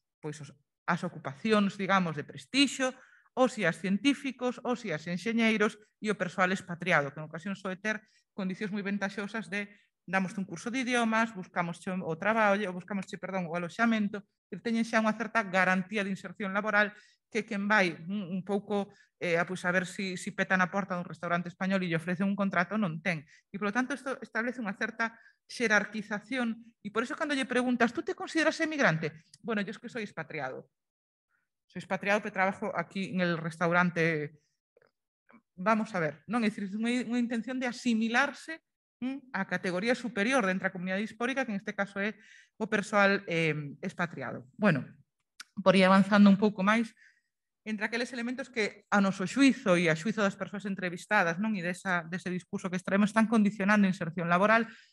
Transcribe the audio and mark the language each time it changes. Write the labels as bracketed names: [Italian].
[Galician] Pois as ocupacións, digamos, de prestixo, ou si as científicos, ou si as enxeñeiros e o persoal expatriado, que en ocasión soe ter condicións moi ventaxosas de damos un curso de idiomas, buscamos o traballo, buscamos o aloxamento, que teñen xa unha certa garantía de inserción laboral, que quen vai un pouco a ver si petan a porta dun restaurante español e lle ofrece un contrato, non ten. E, polo tanto, isto establece unha certa xerarquización. E por iso, cando lle preguntas, [Spanish] tú te consideras emigrante? Bueno, yo es que soy expatriado. Soy expatriado que trabajo aquí en el restaurante. [Galician] Vamos a ver, non? É dicir, unha intención de asimilarse a categoría superior dentro da comunidade hispórica, que en este caso é o persoal expatriado. Bueno, por ir avanzando un pouco máis, entre aqueles elementos que a noso xuizo e a xuizo das persoas entrevistadas, non, e dese discurso que extraemos, están condicionando a inserción laboral,